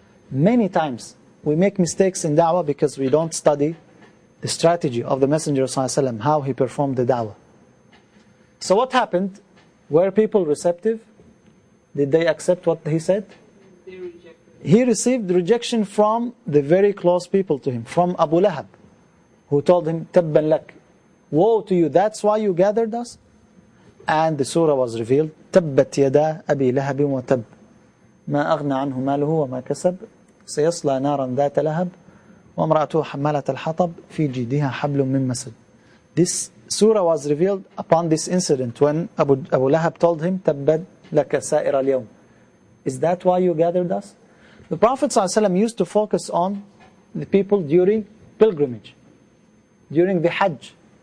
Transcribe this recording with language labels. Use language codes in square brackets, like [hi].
[en] Many times, we make mistakes in da'wah because we don't study the strategy of the Messenger ﷺ, how he performed the da'wah. So what happened? Were people receptive? Did they accept what he said? He received rejection from the very close people to him, from Abu Lahab, who told him, [ar] تَبَّنْ لَكْ [en] Woe to you, that's why you gathered us? [ar] And the surah was revealed, تَبَّتْ يَدَا أَبِي لَهَبٍ وَتَبْ مَا أَغْنَى عَنْهُ مَالُهُ وَمَا كَسَبْ سيصلى نارا ذات لهب وامرأته حمالة الحطب في جيدها حبل من مسد. [en] This surah was revealed upon this incident when Abu Lahab told him, [ar] تبد لك سائر اليوم. [en] Is that why you gathered us? The Prophet ﷺ used to focus on the people during pilgrimage, during the Hajj.